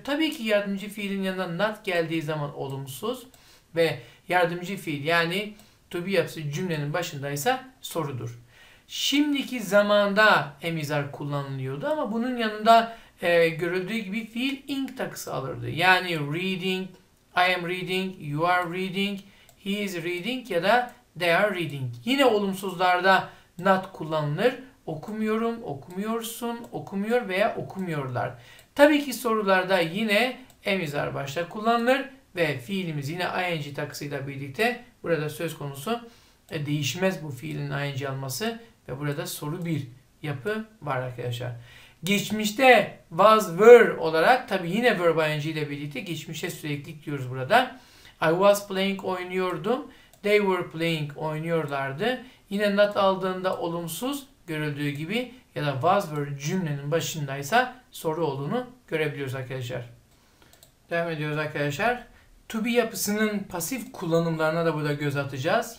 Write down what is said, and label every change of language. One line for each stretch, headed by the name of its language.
Turkish: Tabii ki yardımcı fiilin yanına not geldiği zaman olumsuz ve yardımcı fiil yani to be yapısı cümlenin başındaysa sorudur. Şimdiki zamanda emizar kullanılıyordu ama bunun yanında görüldüğü gibi fiil ing takısı alırdı. Yani
English: reading, I am reading, you are reading, he is reading ya da they are reading.
Turkish: Yine olumsuzlarda not kullanılır. Okumuyorum, okumuyorsun, okumuyor veya okumuyorlar. Tabii ki sorularda yine emizar başta kullanılır ve fiilimiz yine ing takısıyla birlikte burada söz konusu değişmez bu fiilin ing alması ve burada soru bir yapı var arkadaşlar. Geçmişte was were olarak tabii yine verb ing ile birlikte geçmişe süreklilik diyoruz burada.
English: I was playing
Turkish: oynuyordum.
English: They were playing
Turkish: oynuyorlardı. Yine not aldığında olumsuz görüldüğü gibi ya da was were cümlenin başındaysa soru olduğunu görebiliyoruz arkadaşlar. Devam ediyoruz arkadaşlar. To be yapısının pasif kullanımlarına da burada göz atacağız.